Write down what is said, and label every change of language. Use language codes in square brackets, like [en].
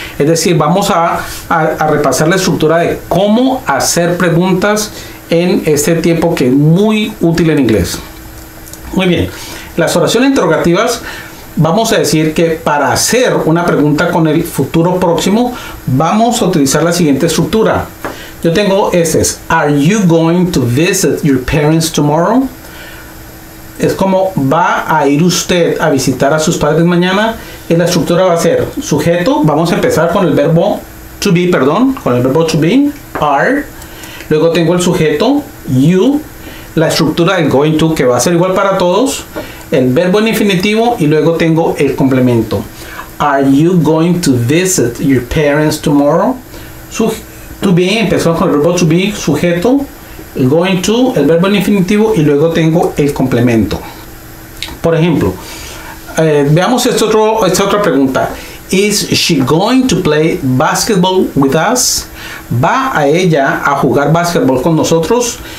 [es] Es decir, vamos a repasar la estructura de cómo hacer preguntas en este tiempo que es muy útil en inglés. Muy bien. Las oraciones interrogativas, vamos a decir que para hacer una pregunta con el futuro próximo, vamos a utilizar la siguiente estructura. Yo tengo este, es, [en] are you going to visit your parents tomorrow? [es] Es como, ¿va a ir usted a visitar a sus padres mañana? Y la estructura va a ser sujeto, vamos a empezar con el verbo to be, perdón, con el verbo to be, are. Luego tengo el sujeto, you, la estructura del going to, que va a ser igual para todos, el verbo en infinitivo y luego tengo el complemento. [en] Are you going to visit your parents tomorrow? [es] To be, empezamos con el verbo to be, sujeto, going to, el verbo en infinitivo y luego tengo el complemento. Por ejemplo, veamos esta otra pregunta. [en] Is she going to play basketball with us? [es] ¿Va a ella a jugar basketball con nosotros?